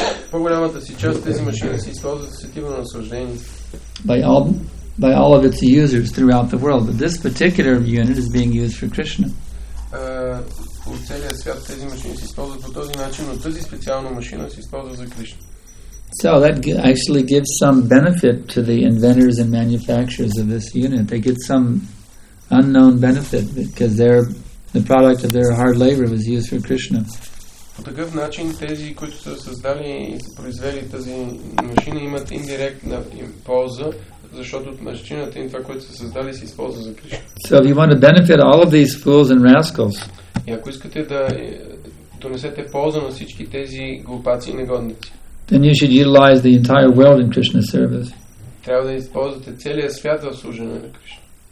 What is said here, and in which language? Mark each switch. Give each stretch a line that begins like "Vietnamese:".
Bulgarian: По-голямата си част тези машини се използват за сетивно наслаждение.
English: By all of its users throughout the world, but this particular unit is being used for Krishna.
Bulgarian: По целия свят тези машини се използват по този начин, но тази специална машина се използва за Кришна.
English: So that actually gives some benefit to the inventors and manufacturers of this unit. They get some unknown benefit because the product of their hard labor was used for Krishna.
Bulgarian: По такъв начин тези, които са създали и са произвели тази машина, имат индиректна полза, защото от машината им това, което са създали, се използва за Кришна.
English: So if you want to benefit all of these fools and rascals,
Bulgarian: и ако искате да донесете полза на всички тези глупаци и негодници,
English: then you should utilize the entire world in Krishna's service.
Bulgarian: Трябва да използвате целия свят в служене на Кришна.